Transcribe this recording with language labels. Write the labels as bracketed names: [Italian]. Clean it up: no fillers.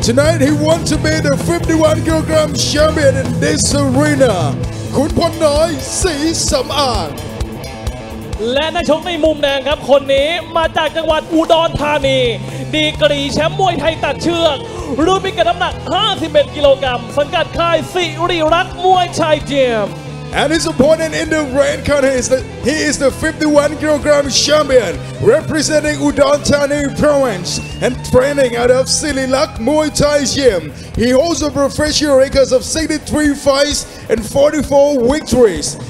[English] Tonight he wants to be the 51 kilogram champion in this arena. Khun Phorn Noi Sei Sam Ang. [Thai] และนักชกในมุมแดงครับคนนี้มาจากจังหวัดอุดรธานีดีกรีแชมป์มวยไทยตัดเชือกรุ่นพิกัดน้ำหนัก51กิโลกรัมสังกัดค่ายสิริรัตน์มวยไทยจิม [English] And his opponent in the rank counter is he is the 51 kilogram champion representing Udon Thani province and training out of Sililak Muay Thai Gym. He holds a professional record of 63 fights and 44 victories.